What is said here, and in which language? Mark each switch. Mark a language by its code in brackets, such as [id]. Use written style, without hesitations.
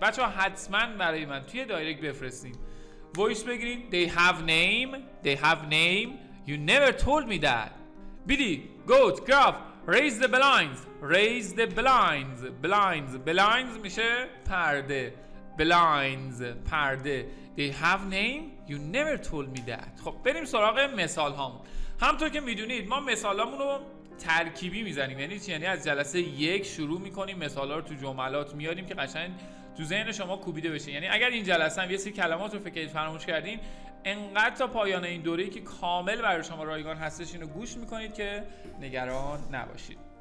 [fa] بچه ها حتما برای من توی دایرکت بفرستین. ویس بگیرین. [en] They have name. You never told me that. Billy goat Gruff Raise the blinds. [fa] Blinds میشه پرده. [en] Blinds. They have name. You never told me that. [fa] خب بریم سراغ مثال هامون. همطور که میدونید ما مثال هامون رو ترکیبی میزنیم، یعنی از جلسه یک شروع میکنیم مثال ها رو تو جملات میاریم که قشنگ تو ذهن شما کوبیده بشه. یعنی اگر این جلسه هم یه سری کلمات رو فکر فراموش کردین، انقدر تا پایان این دوره‌ای که کامل برای شما رایگان هستش اینو گوش میکنید که نگران نباشید.